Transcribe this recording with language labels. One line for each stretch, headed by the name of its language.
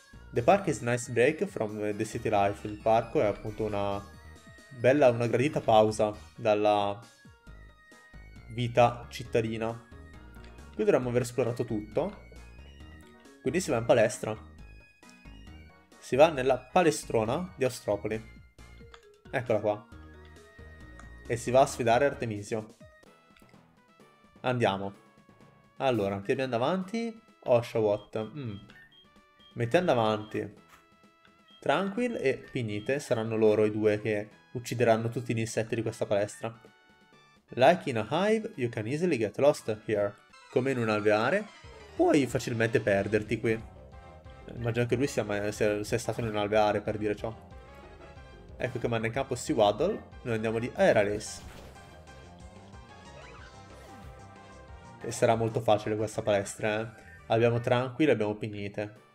English: The park is a nice break from the city life.
Italian: Il parco è appunto una bella, una gradita pausa dalla vita cittadina. Qui dovremmo aver esplorato tutto. Quindi si va in palestra. Si va nella palestrona di Austropoli. Eccola qua. E si va a sfidare Artemisio. Andiamo. Allora, chi abbiamo davanti? Oshawott. Mettiamo davanti Tranquil e Pignite. Saranno loro i due che uccideranno tutti gli insetti di questa palestra.
English: Like in a hive, you can easily get lost here.
Italian: Come in un alveare, puoi facilmente perderti qui. Immagino che lui sia stato in un alveare per dire ciò. Ecco che manda in campo Swaddle, noi andiamo di Aerales. E sarà molto facile questa palestra, eh. Abbiamo Tranquil, abbiamo Pignite.